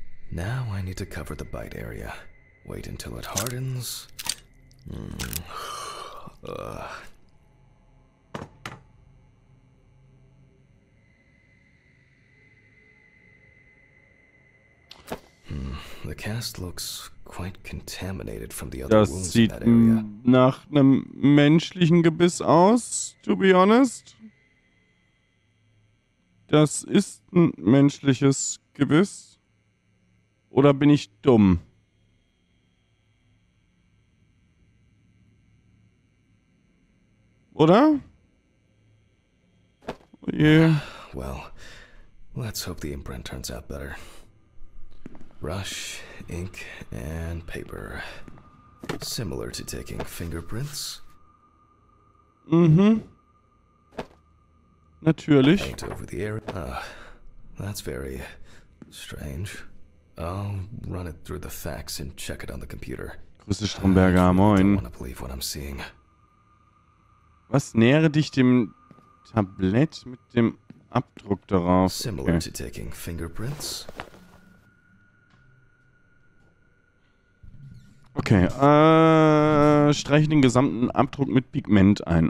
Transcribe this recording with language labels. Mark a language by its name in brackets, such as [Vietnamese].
[English] Now I need to cover the bite area. Wait until it hardens. The cast looks quite contaminated from the other wounds. [German] Das sieht nach einem menschlichen Gebiss aus, [English] to be honest. [German] Das ist ein menschliches Gebiss. Oder bin ich dumm? Oder? Oh je. [English] Well, let's hope the imprint turns out better. Brush, ink, and paper. Similar to taking fingerprints. [German] Mhm. Natürlich. [English] Paint over the area. That's very strange. I'll run it through the fax and check it on the computer. [German] Grüße Stromberger, moin. [English] I don't want to believe what I'm seeing. [German] Was nähere dich dem Tablett mit dem Abdruck darauf? Okay. [English] Similar to taking fingerprints. [German] Okay, streich den gesamten Abdruck mit Pigment ein.